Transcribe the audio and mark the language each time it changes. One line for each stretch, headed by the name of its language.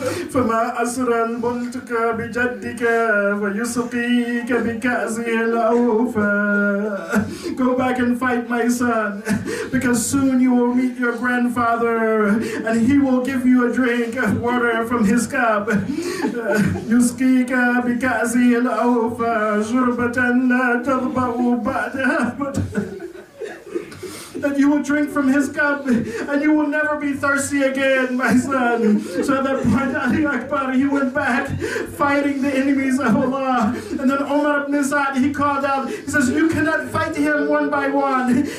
Arabic: فما أسرى الملتقى بجدك فيسقيك بكأسه الأوفى.
English: Go back and fight my son, because soon you will meet your grandfather and he will give you a drink of water from his cup.
Arabic: يسقيك بكأسه الأوفى شربة لا تضبأ بعدها.
English: That you will drink from his cup and you will never be thirsty again, my son. So that point, Ali Akbar, he went back fighting the enemies of Allah. And then Umar ibn Sa'd, he called out, he says, you cannot fight him one by one.